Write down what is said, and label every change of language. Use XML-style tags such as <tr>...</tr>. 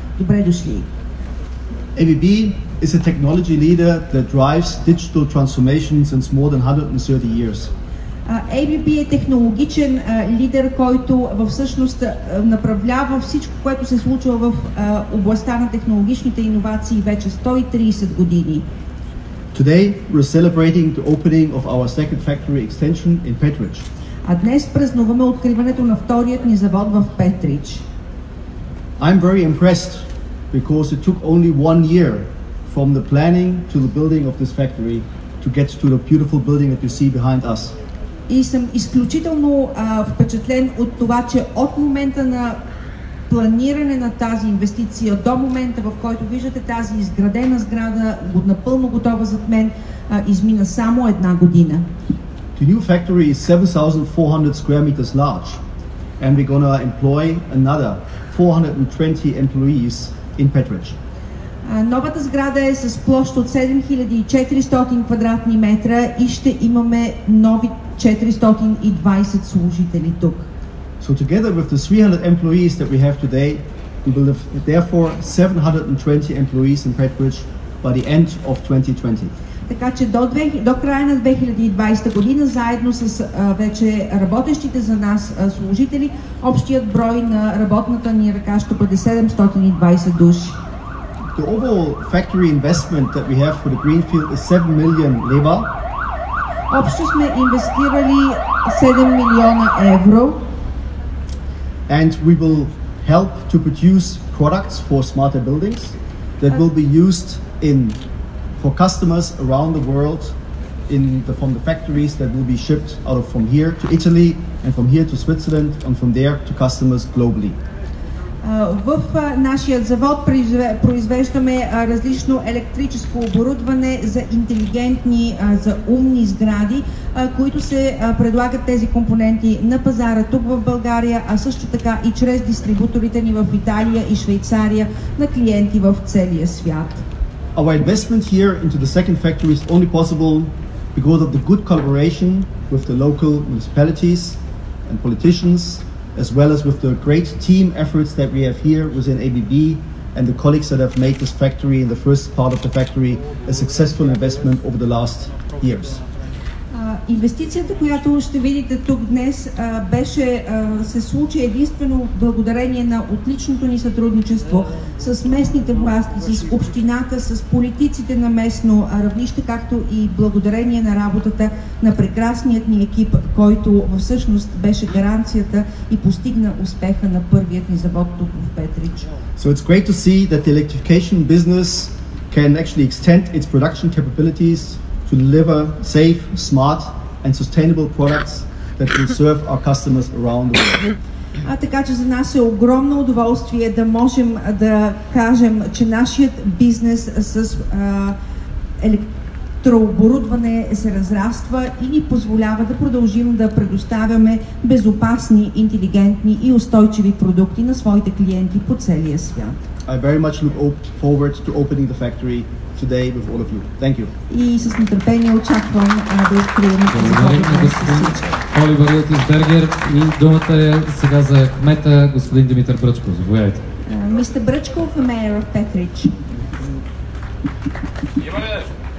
<bg>Добре дошли!</bg> <en>ABB is a technology leader that drives digital transformation since more than 130 years.</en> <bg>ABB е технологичен лидер, който всъщност направлява всичко, което се случва в областта на технологичните иновации вече 130 години.</bg> <en>Today we're celebrating the opening of our second factory extension in Petrich.</en> <bg>А днес празнуваме откриването на вторият ни завод в Петрич.</bg> <en>I'm very impressed because it took only one year from the planning to the building of this factory to get to the beautiful building that you see behind us.</en> <bg>И съм изключително впечатлен от това, че от момента на планиране на тази инвестиция до момента, в който виждате тази изградена сграда, напълно готова зад мен, измина само една година.</bg> <en>The new factory is 7,400 square meters large, and we're going to employ another 420 employees in Petrich.</en> <bg>Новата сграда е с площ от 7400 квадратни метра и ще имаме нови 420 служители тук.</bg> <en>So together with the 300 employees that we have today, we will have therefore 720 employees in Petrich by the end of 2020.</en> <bg>Така че до края на 2020 година, заедно с вече работещите за нас служители, общият брой на работната ни ръка ще бъде 720 души.</bg> <en>The overall factory investment that we have for the greenfield is 7 million lira.</en> <bg>Общо сме инвестирали 7 милиона евро.</bg> <en>And we will help to produce products for smarter buildings that will be used in for customers around the world in the from the factories that will be shipped out of from here to Italy and from here to Switzerland and from there to customers globally.</en> <bg>В нашия завод произвеждаме различно електрическо оборудване за интелигентни, за умни сгради, които се предлагат тези компоненти на пазара тук в България, а също така и чрез дистрибуторите ни в Италия и Швейцария на клиенти в целия свят.</bg> <en>Our investment here into the second factory is only possible because of the good collaboration with the local municipalities and politicians, as well as with the great team efforts that we have here within ABB and the colleagues that have made this factory in the first part of the factory a successful investment over the last years.</en> <bg>Инвестицията, която ще видите тук днес, беше се случи единствено благодарение на отличното ни сътрудничество с местните власти, с общината, с политиците на местно равнище, както и благодарение на работата на прекрасният ни екип, който всъщност беше гаранцията и постигна успеха на първият ни завод тук в Петрич.</bg> <en>So it's great to see that the electrification business can actually extend its production capabilities to deliver safe, smart and sustainable products that will serve our customers around the world.</en> <bg>А така че за нас е огромно удоволствие да можем да кажем, че нашият бизнес с електрооборудване се разраства и ни позволява да продължим да предоставяме безопасни, интелигентни и устойчиви продукти на своите клиенти по целия свят.</bg> <en>I very much look forward to opening the factory today with all of you. Thank you.</en> <bg>И с нетърпение очаквам да открием. Благодарим на господин Оливер Ротенбергер. И думата е сега за кмета, господин Димитър Бръчков. Заповядайте. Мистер Бръчков, мейер в Петрич. Има ли нещо?</bg>